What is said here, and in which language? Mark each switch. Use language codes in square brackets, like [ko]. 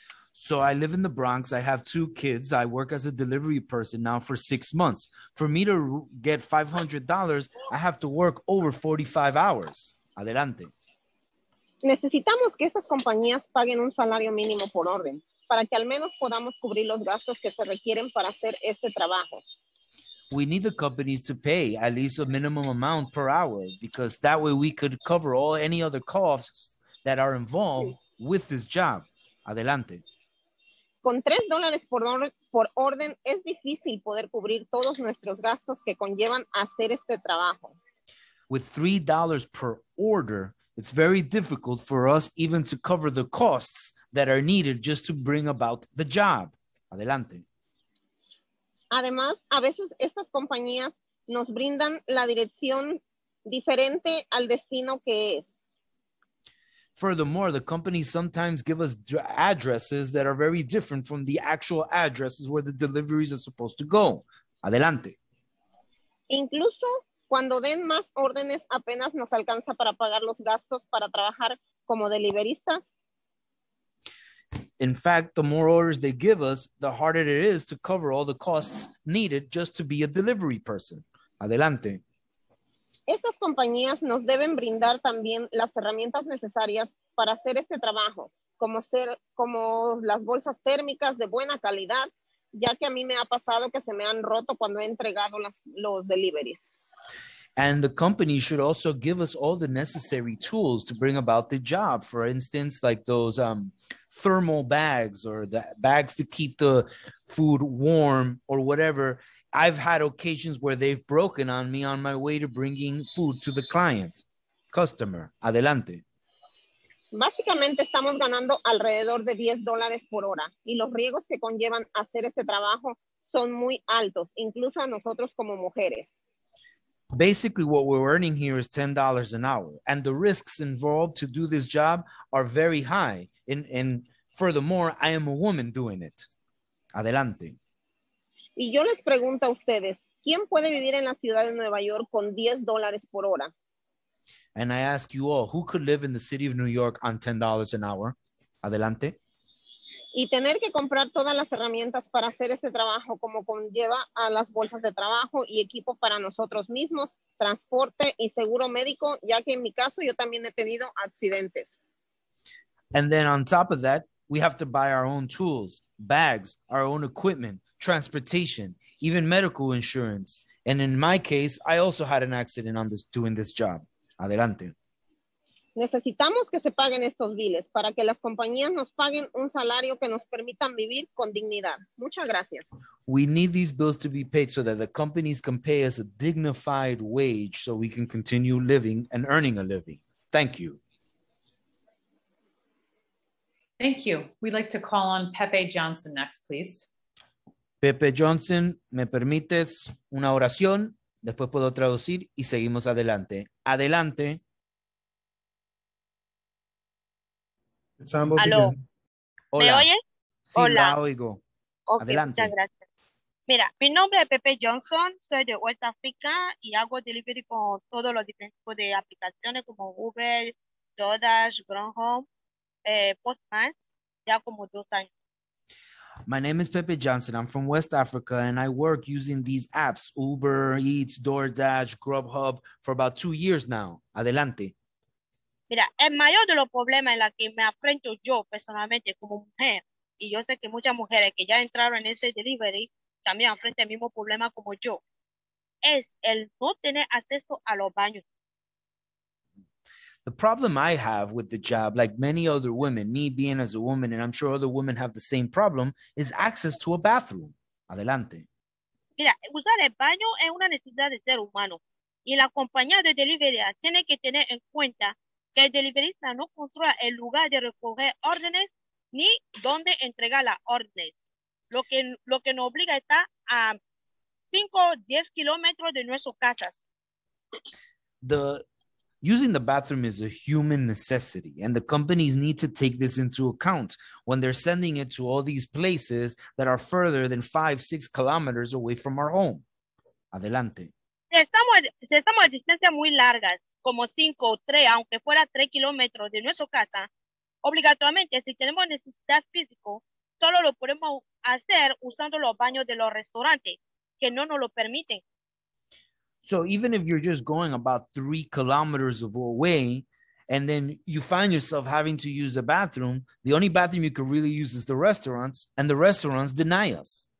[en] So I live in the Bronx. I have two kids. I work as a delivery person now for 6 months. For me to get $500, I have to work over 45 hours. [es] Adelante. Necesitamos que estas compañías paguen un salario mínimo por orden, para que al menos podamos cubrir los gastos que se requieren para hacer este trabajo. [en] We need the companies to pay at least a minimum amount per hour, because that way we could cover all any other costs that are involved with this job. [es] Adelante. Con $3 por orden es difícil poder cubrir todos nuestros gastos que conllevan hacer este trabajo. [en] With $3 per order, it's very difficult for us even to cover the costs that are needed just to bring about the job. [es] Adelante. Además, a veces estas compañías nos brindan la dirección diferente al destino que es. [en] Furthermore, the companies sometimes give us addresses that are very different from the actual addresses where the deliveries are supposed to go. [es] Adelante. Incluso cuando den más órdenes, apenas nos alcanza para pagar los gastos para trabajar como deliveristas. [en] In fact, the more orders they give us, the harder it is to cover all the costs needed just to be a delivery person. [es] Adelante. Estas compañías nos deben brindar también las herramientas necesarias para hacer este trabajo, como las bolsas térmicas de buena calidad, ya que a mí me ha pasado que se me han roto cuando he entregado los deliveries. [en] And the company should also give us all the necessary tools to bring about the job. For instance, like those thermal bags or the bags to keep the food warm or whatever. I've had occasions where they've broken on me on my way to bringing food to the client, customer. [es] Adelante. Básicamente estamos ganando alrededor de $10 por hora y los riesgos que conllevan hacer este trabajo son muy altos, incluso a nosotros como mujeres. [en] Basically, what we're earning here is $10 an hour, and the risks involved to do this job are very high. And furthermore, I am a woman doing it. [es] Adelante. Y yo les pregunto a ustedes, ¿quién puede vivir en la ciudad de Nueva York con $10 por hora? [en] And I ask you all, who could live in the city of New York on $10 an hour? [es] Adelante. Y tener que comprar todas las herramientas para hacer este trabajo, como conlleva a las bolsas de trabajo y equipo para nosotros mismos, transporte y seguro médico, ya que en mi caso yo también he tenido accidentes. [en] And then on top of that, we have to buy our own tools, bags, our own equipment, transportation, even medical insurance. And in my case, I also had an accident on this doing this job. [es] Adelante. Necesitamos que se paguen estos biles para que las compañías nos paguen un salario que nos permitan vivir con dignidad. Muchas gracias. [en] We need these bills to be paid so that the companies can pay us a dignified wage so we can continue living and earning a living. Thank you. Thank you. We'd like to call on Pepe Johnson next, please. [es] Pepe Johnson, ¿me permites una oración? Después puedo traducir y seguimos adelante. Adelante. Aló. ¿Me oye? Sí, hola. La oigo. Okay, adelante. Muchas gracias. Mira, mi nombre es Pepe Johnson, soy de West Africa y hago delivery con todos los diferentes tipos de aplicaciones como Uber, DoorDash, Grubhub, Postman, ya como 2 años. [en] My name is Pepe Johnson. I'm from West Africa and I work using these apps, Uber, Eats, DoorDash, Grubhub, for about 2 years now. [es] Adelante. Mira, el mayor de los problemas en los que me enfrento yo personalmente como mujer, y yo sé que muchas mujeres que ya entraron en ese delivery también enfrentan el mismo problema como yo, es el no tener acceso a los baños. [en] The problem I have with the job, like many other women, me being as a woman, and I'm sure other women have the same problem, is access to a bathroom. [es] Adelante. Mira, usar el baño es una necesidad de ser humano. Y la compañía de delivery tiene que tener en cuenta que el deliverista no controla el lugar de recoger órdenes ni dónde entregar las órdenes. Lo que nos obliga está a 5 o 10 kilómetros de nuestras casas. [en] Using the bathroom is a human necessity, and the companies need to take this into account when they're sending it to all these places that are further than 5-6 kilometers away from our home. [es] Adelante. Si estamos a distancias muy largas, como 5 o 3, aunque fuera 3 kilómetros de nuestra casa, obligatoriamente, si tenemos necesidad física, solo lo podemos hacer usando los baños de los restaurantes, que no nos lo permiten. [en] So even if you're just going about 3 kilometers away, and then you find yourself having to use the bathroom, the only bathroom you can really use is the restaurants, and the restaurants deny us.